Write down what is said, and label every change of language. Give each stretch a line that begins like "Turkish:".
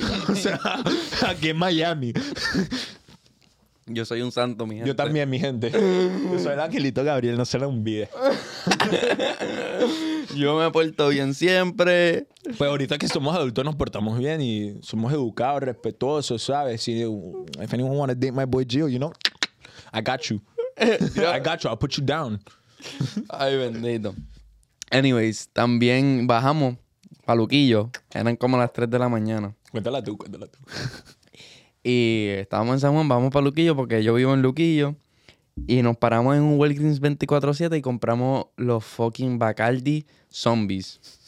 Spanish: O sea, aquí en Miami... Yo soy un santo, mi gente. Yo también, mi gente. Yo soy el angelito Gabriel, no se lo olvide. Yo me porto bien siempre. Pues ahorita que somos adultos nos portamos bien y somos educados, respetuosos, ¿sabes?
English: Si, if anyone wanna date my boy Gio, you know, I got you. Yeah. I got you, I'll put you down.
Spanish: Ay, bendito. Anyways, también bajamos pa' Luquillo. Eran como las 3 de la mañana. Cuéntala tú. Y estábamos en San Juan, vamos para Luquillo porque yo vivo en Luquillo. Y nos paramos en un Walgreens 24/7 y compramos los fucking Bacardi Zombies.